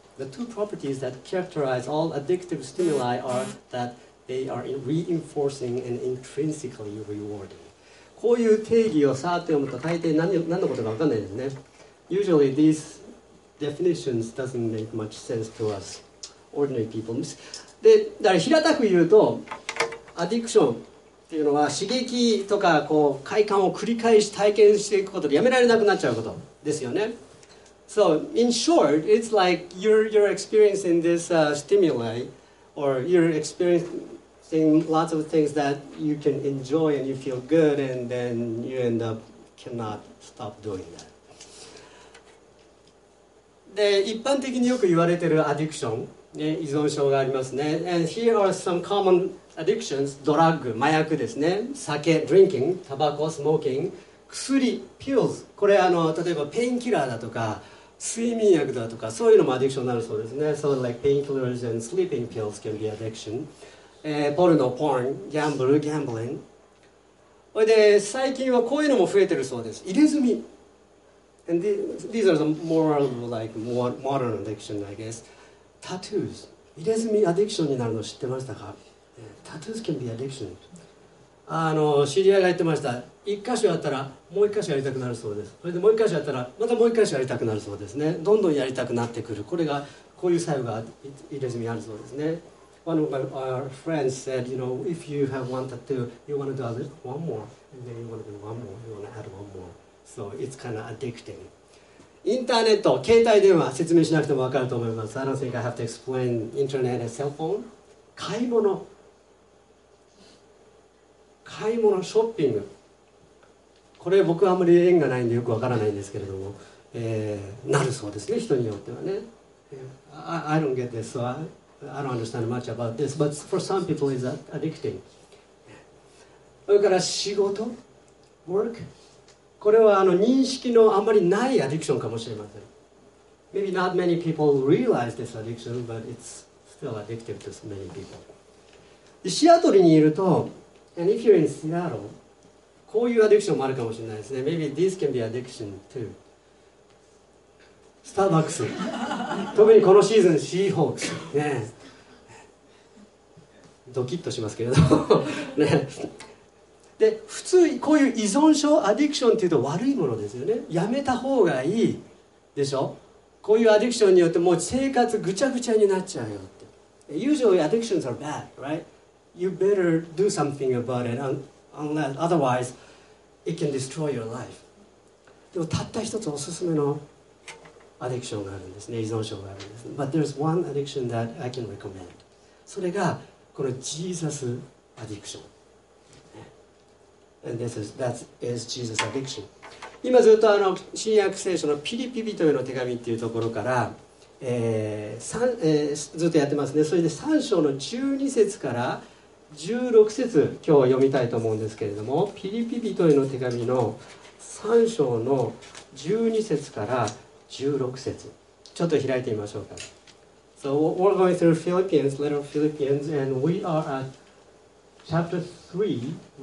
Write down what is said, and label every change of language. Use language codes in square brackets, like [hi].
[en] The two properties that characterize all addictive stimuli are that they are reinforcing and intrinsically rewarding. [ja] こういう定義をさーっと読むと大抵何のことか分かんないですね。 [en] Usually these definitions doesn't make much sense to us ordinary people. [ja] でだから平たく言うとアディクションっていうのは刺激とかこう快感を繰り返し体験していくことでやめられなくなっちゃうことですよね。 [en] So in short it's like you're experiencing this stimuli or you're experiencing lots of things that you can enjoy and you feel good and then you end up cannot stop doing that. [ja] で一般的によく言われてるアディクション依存症がありますね。 [en] And here are some common addictions. [ja] ドラッグ、麻薬ですね。酒、drinking、タバコ、smoking、薬、pills。これ例えばペインキラーだとか睡眠薬だとかそういうのもアディクションになるそうですね。 [en] So like painkillers and sleeping pills can be addiction. ポルノ、porn、gamble、gambling。 [ja] で最近はこういうのも増えてるそうです。入れ墨。 [en] And these are the more like modern addiction, I guess. [ja] タトゥーズ、入れ墨アディクションになるの知ってましたか？ [en] タトゥーズ can be addiction。 [ja] 知り合いが言ってました。一箇所やったらもう一箇所やりたくなるそうです。それでもう一箇所やったらまたもう一箇所やりたくなるそうですね。どんどんやりたくなってくる。これがこういう作用が入れ墨あるそうですね。 [en] One of our friends said, you know, if you have one tattoo, you want to do one more, and then you want to do one more, you want to add one more. So it's kind of addicting. [ja] インターネット、携帯電話、説明しなくても分かると思います。 [en] I don't think I have to explain internet and cell phone. [ja] 買い物。買い物、ショッピング。これ僕はあんまり縁がないんでよく分からないんですけれども、なるそうですね、人によってはね。 [en] I don't get this, so I don't understand much about this, but for some people it's addicting. [ja] それから仕事、work. これは認識のあまりないアディクションかもしれません。 [en] Maybe not many people realize this addiction, but it's still addictive to many people. [ja] シアトルにいると、 [en] and if you're in Seattle, [ja] こういうアディクションもあるかもしれないですね。 [en] Maybe this can be addiction too. [ja] スターバックス。特にこのシーズン、シーホークス。ね。ドキッとしますけれど。ね。で普通こういう依存症アディクションっていうと悪いものですよね。やめた方がいいでしょ。こういうアディクションによってもう生活ぐちゃぐちゃになっちゃうよって。 [en] Usually addictions are bad, right? You better do something about it unless, otherwise it can destroy your life. [ja] でもたった一つおすすめのアディクションがあるんですね。依存症があるんです。 [en] But there's one addiction that I can recommend. [ja] それがこのジーザスアディクション。 [en] And this is, that is Jesus' addiction. [ja] 今ずっと新約聖書のピリピ人への手紙っていうところから、ずっとやってますね。それで3章の12節から16節今日読みたいと思うんですけれども、ピリピ人への手紙の3章の12節から16節ちょっと開いてみましょうか。 [en] So we're going through Philippians, letter of Philippians, and we are at chapter 3.